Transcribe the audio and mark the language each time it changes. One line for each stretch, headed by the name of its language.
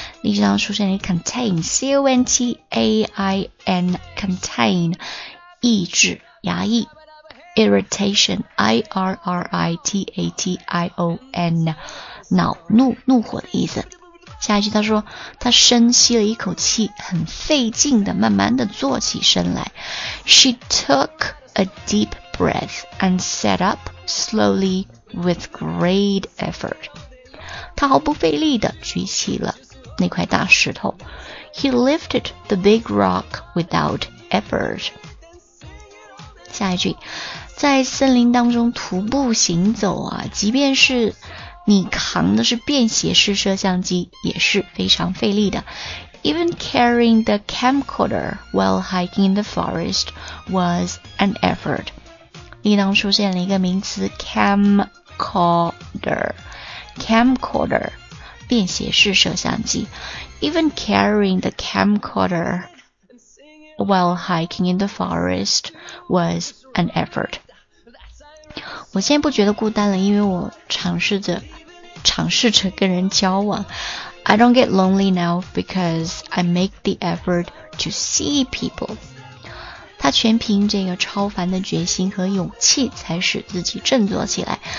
Chinese: 例句上出现了 contain, C-O-N-T-A-I-N, contain,抑制压抑 irritation I-R-R-I-T-A-T-I-O-N 恼怒怒火的意思下一句他说，他深吸了一口气，很费劲的慢慢的坐起身来。
English: She took a deep breath and sat up slowly with great effort.
Chinese: 他毫不费力地举起了那块大石头。
English: He lifted the big rock without effort.
Chinese: 下一句，在森林当中徒步行走啊，即便是你扛的是便携式摄像机也是非常费力的。
English: Even carrying the camcorder while hiking in the forest was an effort.
Chinese: 里当出现了一个名词 camcorder, 便携式摄像机。
English: Even carrying the camcorder while hiking in the forest was an effort.
Chinese: 我现在不觉得孤单了，因为我尝试着跟人交往。
English: I don't get lonely now because I make the effort to see people.
Chinese: 他全凭这个超凡的决心和勇气才使自己振作起来。